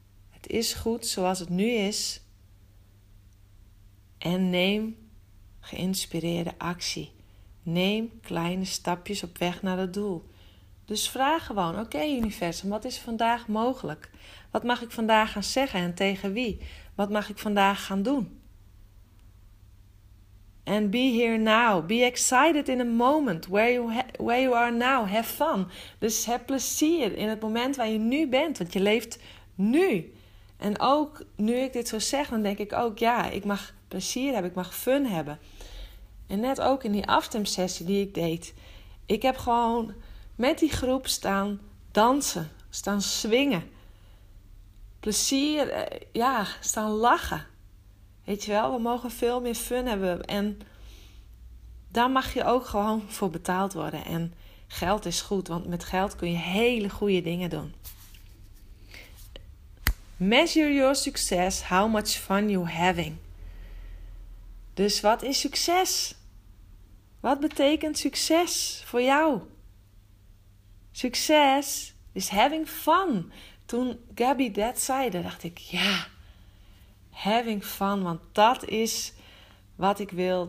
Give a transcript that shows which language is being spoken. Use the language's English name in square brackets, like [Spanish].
[Dutch] Het is goed zoals het nu is. En neem geïnspireerde actie. Neem kleine stapjes op weg naar het doel. Dus vraag gewoon, oké, universum, wat is vandaag mogelijk? Wat mag ik vandaag gaan zeggen en tegen wie? Wat mag ik vandaag gaan doen? [English] En be here now. Be excited in a moment where you are now. Have fun. [Dutch] Dus heb plezier in het moment waar je nu bent. Want je leeft nu. En ook nu ik dit zo zeg, dan denk ik ook, ja, ik mag plezier hebben. Ik mag fun hebben. En net ook in die afstemsessie die ik deed. Ik heb gewoon met die groep staan dansen. Staan swingen. Plezier. Ja, staan lachen. Weet je wel, we mogen veel meer fun hebben. En daar mag je ook gewoon voor betaald worden. En Geld is goed, want met geld kun je hele goede dingen doen. [English] Measure your success, how much fun you're having. [Dutch] Dus wat is succes? Wat betekent succes voor jou? Succes is [English] having fun. [Dutch] Toen Gabby dat zei, dacht ik, ja, having fun, want dat is wat ik wil.